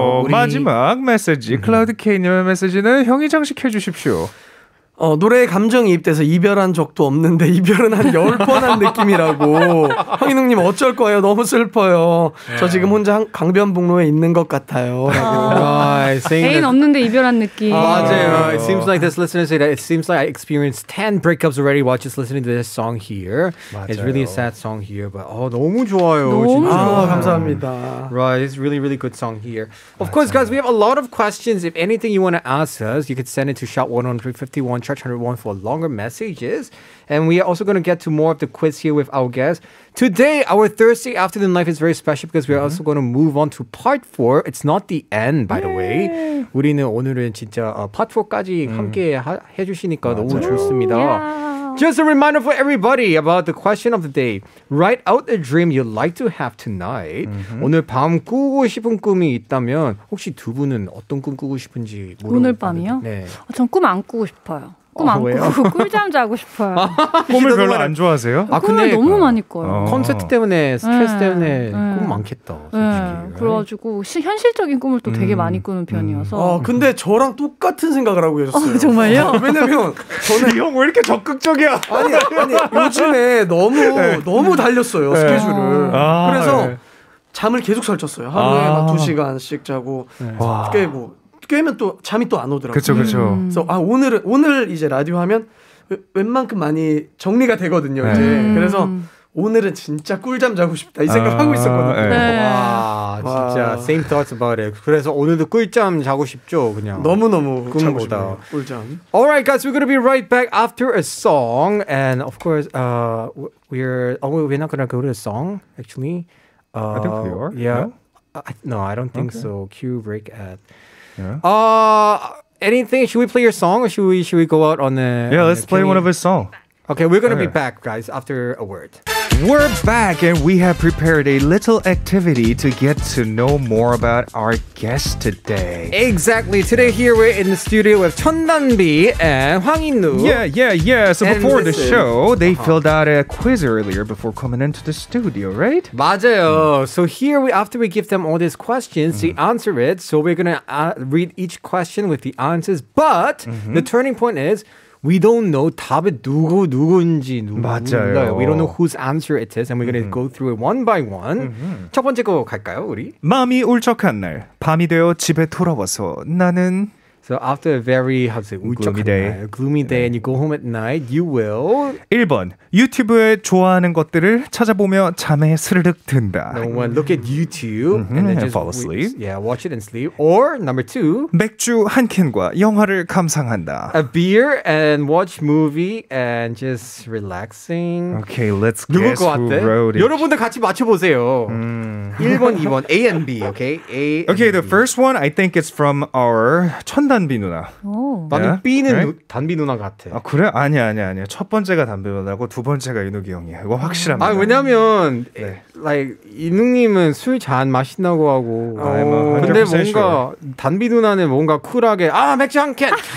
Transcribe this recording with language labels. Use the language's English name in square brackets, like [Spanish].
[Korean] 마지막 메시지 클라우드케이님의 메시지는 형이 장식해주십시오. 노래에 감정이 입돼서 이별한 적도 없는데 이별은 한 10번 한 느낌이라고. 황인웅님 어쩔 거예요. 너무 슬퍼요. 저 지금 혼자 강변북로에 있는 것 같아요. 애인 없는데 이별한 느낌. 맞아요. [English] It seems like this listener said that it seems like I experienced 10 breakups already while just listening to this song here. [Korean] 맞아요. [English] It's really a sad song here. But [Korean] 너무 좋아요. 너무 좋아요. 감사합니다. [English] Right. It's really really good song here. Of course, guys, we have a lot of questions. If anything you want to ask us, you could send it to shot1351. On Church 101 for longer messages. And we are also going to get to more of the quiz here with our guest. Today, our Thursday Afternoon Life is very special because we are also going to move on to part 4. It's not the end, by the way. [Korean] 우리는 오늘은 진짜 part 4까지 함께 해주시니까 너무 좋습니다. [English] Just a reminder for everybody about the question of the day. Write out a dream you'd like to have tonight. Mm-hmm. [Korean] 오늘 밤 꾸고 싶은 꿈이 있다면 혹시 두 분은 어떤 꿈 꾸고 싶은지 모르겠는데. 오늘 밤이요? 네. 전 꿈 안 꾸고 싶어요. 꿈 안 꾸고 꿀잠 자고 싶어요. 꿈을 별로 안 좋아하세요? 근데 너무 많이 꿔요. 콘서트 때문에 스트레스 때문에 꿈 많겠다. 그래가지고 현실적인 꿈을 또 되게 많이 꾸는 편이어서. 근데 저랑 똑같은 생각을 하고 계셨어요. 정말요? 왜냐면 저는 형 왜 이렇게 적극적이야? 아니 요즘에 너무 네. 너무 달렸어요 네. 스케줄을. 그래서 잠을 계속 설쳤어요. 하루에 막 2시간씩 자고 깨고. 깨면 또 잠이 또 안 오더라고요. 그렇죠, 그렇죠. 그래서 오늘 이제 라디오 하면 웬만큼 많이 정리가 되거든요. 네. 이제 그래서 오늘은 진짜 꿀잠 자고 싶다 이 생각 하고 있었거든요. 네. 와, 진짜 [English] same thoughts about it. [Korean] 그래서 오늘도 꿀잠 자고 싶죠, 그냥. 너무 너무 꿀보다 꿀잠. [English] Alright, guys, we're gonna be right back after a song, and of course, we're not gonna go to a song actually. I think we are. Yeah. No, I don't think so. Cue break at. Yeah. Anything? Should we play your song or should we go out on the? Yeah, let's play one of his songs. Okay, we're gonna be back, guys, after a word. We're back and we have prepared a little activity to get to know more about our guest today. Exactly. Today here we're in the studio with Chun Dan-bi and Hwang In-woo. Yeah. So before the show, they filled out a quiz earlier before coming into the studio, right? [Korean] 맞아요. [English] So here, after we give them all these questions, they answer it. So we're going to read each question with the answers. But the turning point is, we don't know [Korean] 답이 누구인지 맞아요. [English] We don't know whose answer it is, and we're gonna go through it one by one. [Korean] 첫 번째 거 갈까요, 우리? 마음이 울적한 날, 밤이 되어 집에 돌아와서 나는. [English] So after a very, how to say, 울적한 day. 날, gloomy day, and you go home at night, you will. [Korean] 1번, 유튜브에 좋아하는 것들을 찾아보며 잠에 스르륵 든다. [English] Number one, look at YouTube and just fall asleep. Yeah, watch it and sleep. Or number two, [Korean] 맥주 한 캔과 영화를 감상한다. [English] A beer and watch movie and just relaxing. Okay, let's guess who wrote it. [Korean] 여러분들 같이 맞춰보세요. [English] 1번, 2번, A and B, okay? The first one, I think it's from our 천단비 누나. [Korean] 나는 B는 단비 누나 같아. 아 그래? 아니야. 첫 번째가 단비 누나고 두 번째가 인욱이 형이야. 이거 확실합니다. 아 왜냐면 네. like 인욱님은 술 잔 마신다고 하고. 근데 뭔가 단비 누나는 뭔가 쿨하게 아 맥주 한 캔.